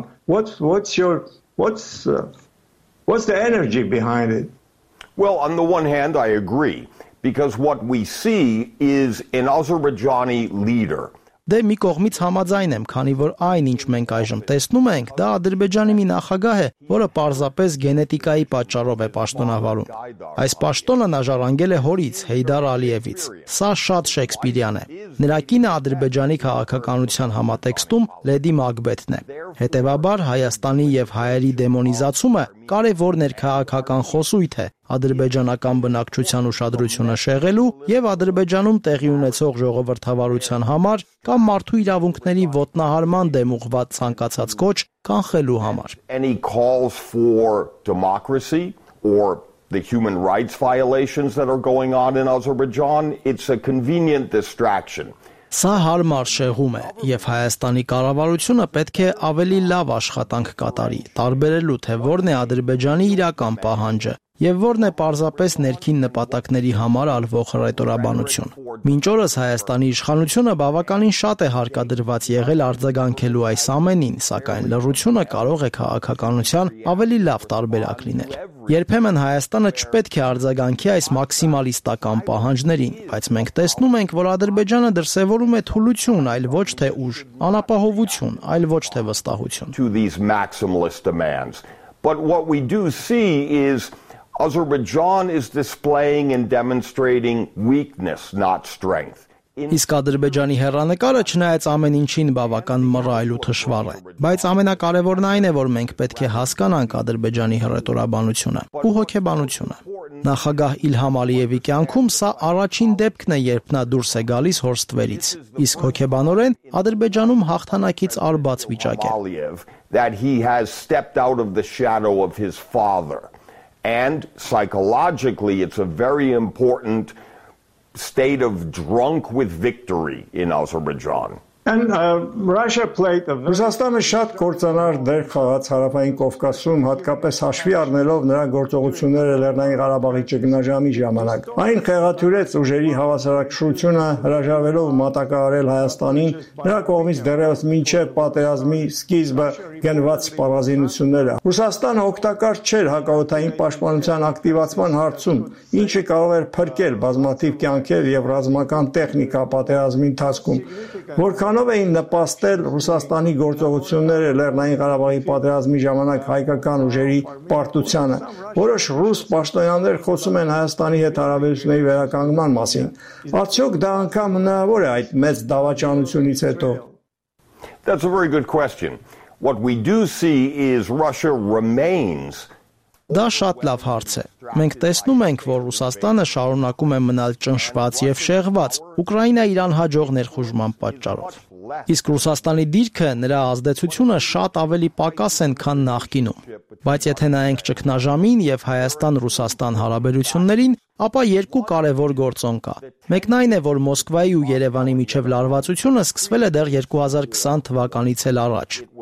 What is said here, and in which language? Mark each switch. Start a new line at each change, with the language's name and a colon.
English: What's the energy behind it? Well, on the one hand, I agree. Because what we see is an Azerbaijani leader.
Armenian: Դե մի կողմից համաձայն եմ, քանի որ այն, ինչ մենք այժմ տեսնում ենք, դա Ադրբեջանի մի նախագահ է, որը պարզապես գենետիկայի պատճառով է պաշտոնավարում։ Այս պաշտոնը նա ժառանգել է հորից, Հեյդար Ալիևից։ Սա շատ շեքսպիրյան է։ Նրա կինը Ադրբեջանի քաղաքականության համատեքստում Լեդի Մակբեթն է։ Հետևաբար Հայաստանի եւ հայերի դեմոնիզացումը կարևոր ներքաղաքական խոսույթ է։ Ադրբեջանական բնակչության ուշադրությունը շեղելու եւ Ադրբեջանում տեղի ունեցող ժողովրդավարության համար կամ մարդու իրավունքների ոտնահարման դեմ ուղղված ցանկացած կոչ կանխելու համար։
English: Any calls for democracy or the human rights violations that are going on in Azerbaijan, it's a convenient distraction.
Armenian: Սա հարմար շեղում է, եւ Հայաստանի կառավարությունը պետք է ավելի լավ աշխատանք կատարի՝ տարբերելու թե որն է Ադրբեջանի իրական պահանջը եւ որն է պարզապես ներքին նպատակների համար ալվող ռետորաբանություն։ Մինչ օրս Հայաստանի իշխանությունը բավականին շատ է հարկադրված եղել արձագանքելու այս ամենին, սակայն լրրությունը կարող է քաղաքականության ավելի լավ տարբերակ լինել։ Երբեմն Հայաստանը չպետք է արձագանքի այս մաքսիմալիստական պահանջներին, բայց մենք տեսնում ենք, որ Ադրբեջանը դրսևորում է թուլություն, այլ ոչ թե ուժ, անապահովություն, այլ ոչ թե վստահություն։
English: But what we do see is Azerbaijan is displaying and demonstrating weakness, not strength.
Armenian: Իսկ Ադրբեջանի հերանեկարը չնայած ամեն ինչին բավական մռայլ ու թշվառ է, բայց ամենակարևորն այն է, որ մենք պետք է հասկանանք Ադրբեջանի հռետորաբանությունը ու հոգեբանությունը։ Նախագահ Իլհամ Ալիևի կյանքում սա առաջին դեպքն է, երբ նա դուրս է գալիս հորստվերից, իսկ հոգեբանորեն Ադրբեջանում հաղթանակից արբաց վիճակ է.
English: That he has stepped out of the shadow of his father, and psychologically it's a very important state of drunk with victory in Azerbaijan. And Russia played a very...
Armenian: Ռուսաստանը շատ կործանար դեր խաղաց Հարավային Կովկասում, հատկապես հաշվի առնելով նրա գործողությունները Լեռնային Ղարաբաղի ճգնաժամի ժամանակ։ Այն խեղաթյուրեց ուժերի հավասարակշռությունը, հրաժարվելով մատակարարել Հայաստանին նրա կողմից դեռևս մինչև պատերազմի սկիզբը գնված սպառազինությունները։ Ռուսաստանը օգտակար չէր հակաօդային պաշտպանության ակտիվացման հարցում, ինչը կարող էր փրկել բազմաթիվ կյանքեր եւ ռազմական տեխնիկա պատերազմի ընթացքում։ Որքանով էին նպաստել Ռուսաստանի գործողությունները Լեռնային Ղարաբաղի պատերազմի ժամանակ հայկական ուժերի պարտությանը։ Որոշ ռուս պաշտոնյաներ խոսում են Հայաստանի հետ հարաբերությունների վերականգնման մասին։ Արդյոք դա անգամ հնարավոր է այդ մեծ դավաճանությունից հետո։
English: That's a very good question. What we do see is Russia remains.
Armenian: Դա շատ լավ հարց է։ Մենք տեսնում ենք, որ Ռուսաստանը շարունակում է մնալ ճնշված եւ շեղված Ուկրաինայի անհաջող ներխուժման պատճառով։ Իսկ Ռուսաստանի դիրքը, նրա ազդեցությունը շատ ավելի պակաս են, քան նախկինում։ Բայց եթե նայենք ճգնաժամին եւ Հայաստան-Ռուսաստան հարաբերություններին, ապա երկու կարևոր գործոն կա։ Մեկն այն է, որ Մոսկվայի ու Երևանի միջև լարվածությունը սկսվել է դեռ 2020 թվականից էլ առաջ։